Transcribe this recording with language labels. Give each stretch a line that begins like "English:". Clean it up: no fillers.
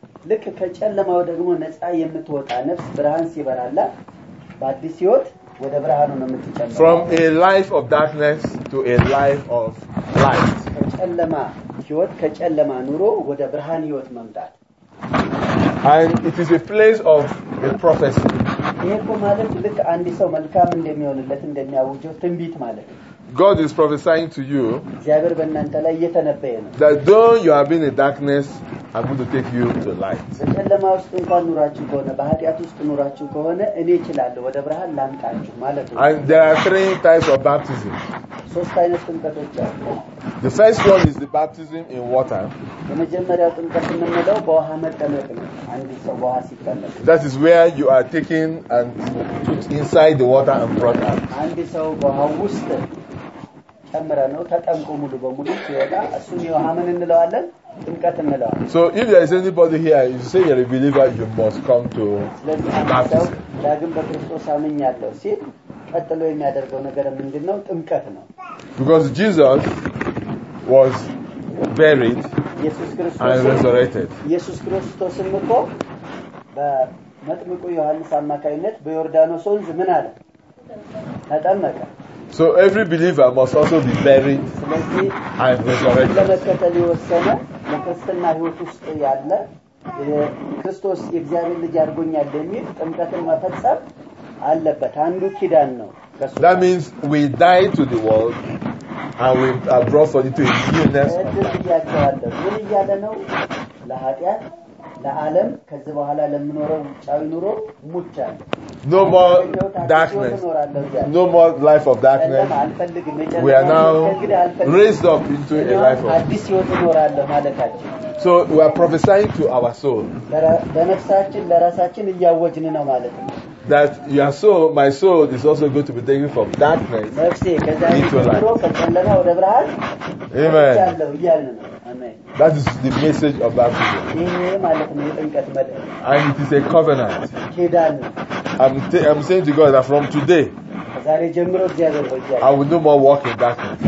Amharic: ልክ ከጨለማው ደግሞ ነፃ የምትወጣ ነፍስ ብርሃን ሲበራላ በአዲስ ህይወት ወደ ብርሃኑ ነው የምትጨምረው።
English: From a life of darkness to a life of light.
Amharic: ከጨለማ ህይወት ከጨለማ ኑሮ ወደ ብርሃን ህይወት መምጣት።
English: And it is a place of a prophecy.
Amharic: ይሄ ማለት ልክ አንድ ሰው መልካም እንደሚሆንለት እንደሚያውጀው ትንቢት ማለት ነው።
English: God is prophesying to you.
Amharic: እግዚአብሔር በእናንተ ላይ እየተነበየ ነው።
English: That though you have been in darkness, I'm going to take you to light.
Amharic: ከጨለማ ውስጥ እንኳን ኑራችሁ ከሆነ በኃጢአት ውስጥ ኑራችሁ ከሆነ እኔ እችላለሁ ወደ ብርሃን ላምጣችሁ ማለት ነው።
English: And there are three types of baptism.
Amharic: ሶስት አይነት ጥምቀቶች አሉ።
English: The first one is the baptism in water.
Amharic: የመጀመሪያው ጥምቀት የምንለው በውሃ መጠመቅ ነው። አንድ ሰው በውሃ ሲጠመቅ
English: That is where you are taken and put inside the water and brought out.
Amharic: አንድ ሰው በውሃ ውስጥ ተመረነው ተጠምቆ ሙሉ በሙሉ ሲወጣ እሱን ዮሐንን እንለዋለን ጥምቀት እንለዋለን።
English: So if there is anybody here you say you're a believer you must come to baptism.
Amharic: ዳግም በክርስቶስ አመኛለሁ ሲል ቀጥሎ የሚያደርገው ነገር ምንድነው? ጥምቀት ነው።
English: Because Jesus was buried and resurrected.
Amharic: ኢየሱስ ክርስቶስ እኮ በመጥምቁ ዮሐንስ አማካይነት በዮርዳኖስ ወንዝ ምን አለ? ተጠመቀ።
English: So every believer must also be buried and resurrected.
Amharic: ለመከተል ወሰነ መከተልና ህይወት ውስጥ ያለ ክርስቶስ እግዚአብሔር ልጅ አድርጎኛል ለሚል ጥምቀትን መፈጸም አለበት። አንዱ ኪዳን ነው።
English: That means we die to the world and we are brought forth into a newness.
Amharic: ምን ይያለ ነው? ለኃጢአት ለዓለም ከዚህ በኋላ ለምኖረው ጫዊ ኑሮ ሙቻል።
English: No more darkness. No more life of darkness. We are now raised up into a life of
Amharic: አዲስ ህይወት እንኖራለን ማለታችን።
English: So we are prophesying to our soul.
Amharic: ለነፍሳችን ለራሳችን እያወጅን ነው ማለት ነው።
English: That your soul, my soul is also going to be taken from darkness. Into light. Amen. Amen. That is the message of baptism. And it is a covenant. I'm saying to God that from today, I will no more walk in darkness.